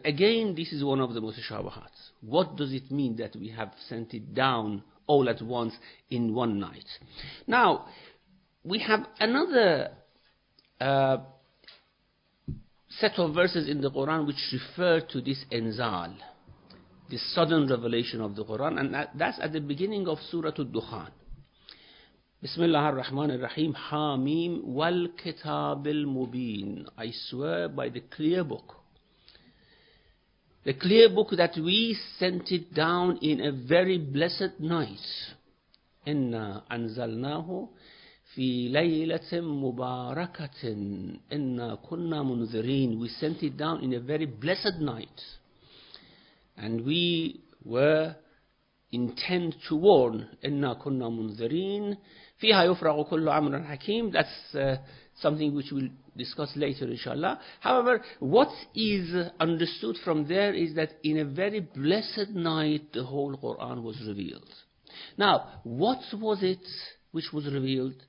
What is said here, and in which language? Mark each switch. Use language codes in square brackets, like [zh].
[en] Again, this is one of the mutashabahats. What does it mean that we have sent it down all at once in one night? Now, we have another set of verses in the Quran which refer to this Enzal, the sudden revelation of the Quran, and that's at the beginning of Surah Al-Dukhan. [ar] بسم الله الرحمن الرحيم حاميم والكتاب المبين. [en] I swear by the clear book. The clear book that we sent it down in a very blessed night. [ar] إنا أنزلناه في ليلة مباركة إنا كنا منذرين. [en] We sent it down in a very blessed night. And we were intent to warn. [ar] إنا كنا منذرين. فيها يفرغ كل عمر حكيم. [en] That's something which we'll discuss later, inshallah. However, what is understood from there is that in a very blessed night, the whole Quran was revealed. Now, what was it which was revealed